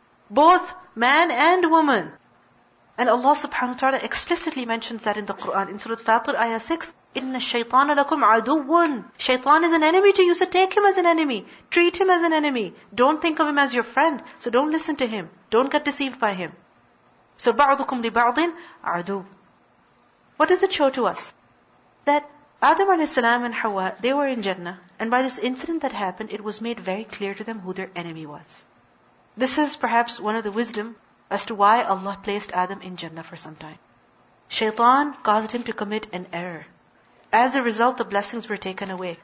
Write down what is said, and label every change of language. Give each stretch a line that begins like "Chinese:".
English: Both man and woman. And Allah subhanahu wa ta'ala explicitly mentions that in the Quran. In Surah Fatir, ayah 6,
Arabic: إِنَّ الشَّيْطَانَ لَكُمْ عَدُوٌ.
English: Shaitan is an enemy to you, so take him as an enemy. Treat him as an enemy. Don't think of him as your friend. So don't listen to him. Don't get deceived by him.
Arabic: So بَعْضُكُمْ لِبَعْضٍ عَدُوٌ.
English: What does it show to us? That Adam alayhi salam and Hawa, they were in Jannah. And by this incident that happened, it was made very clear to them who their enemy was. This is perhaps one of the wisdom as to why Allah placed Adam in Jannah for some time. Shaitan caused him to commit an error. As a result, the blessings were taken away.